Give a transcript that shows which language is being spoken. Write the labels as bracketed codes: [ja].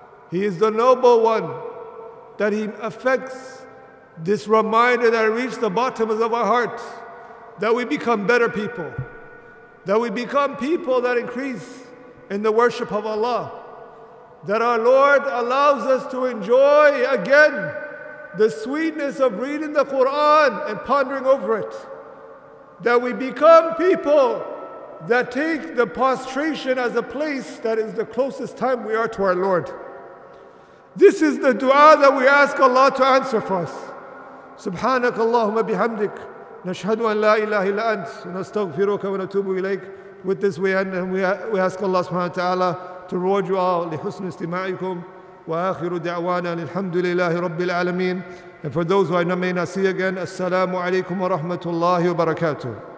[en] He is the noble one, that He affects this reminder that reaches the bottoms of our heart, that we become better people, that we become people that increase in the worship of Allah, that our Lord allows us to enjoy again the sweetness of reading the Quran and pondering over it, that we become people that take the prostration as a place that is the closest time we are to our Lord. This is the dua that we ask Allah to answer for us. [ar] سبحانك اللهم بحمدك نشهد أن لا إله إلا أنت ونستغفرك ونتوب إليك. [en] With this we end, and we ask Allah subhanahu wa ta'ala to reward you all [ar] لحسن استماعكم. وآخر دعوانا الحمد لله رب العالمين. [en] And for those who I may not see again, [ar] السلام عليكم ورحمة الله وبركاته.